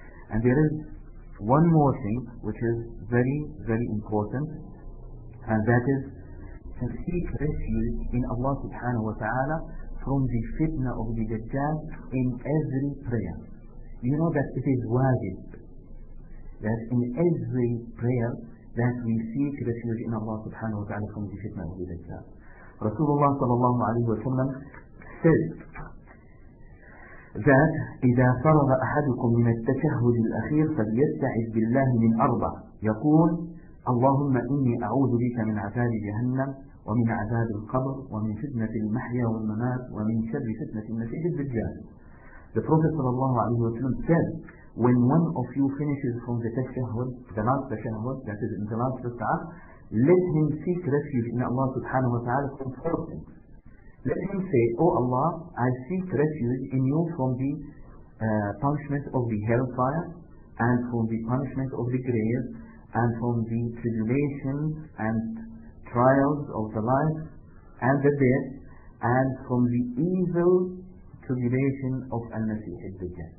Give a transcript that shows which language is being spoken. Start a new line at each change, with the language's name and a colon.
English: And there is one more thing which is very, very important, and that is to seek refuge in Allah subhanahu wa ta'ala from the fitna of the Dajjal in every prayer. You know that it is wajib that in every prayer that we seek refuge in Allah subhanahu wa ta'ala from the fitna of the Dajjal.
Arabic: Rasulullah sallallahu alayhi wa sallam
English: said that
Arabic: إِذَا فَرَغَ أَحَدُكُمْ مِنَ التَّشَهُّدِ الْأَخِيرِ فَلْيَسْتَعِذْ بِاللَّهِ مِنْ أَرْضَةٍ يقول اللهم إني أعوذ بك من عذاب جهنم ومن عذاب القبر ومن فتنة المحيا والممات ومن شر فتنة المسيح الدجال.
English: The Prophet sallallahu alayhi wa sallam said, when one of you finishes from the tashahud, the last tashahud, that is in the last rak'ah, let him seek refuge in Allah subhanahu wa ta'ala from four things. Let him say, O Allah, I seek refuge in you from the punishment of the hellfire, and from the punishment of the grave, and from the tribulations and trials of the life and the death, and from the evil tribulation of Al-Masih al-Dajjal.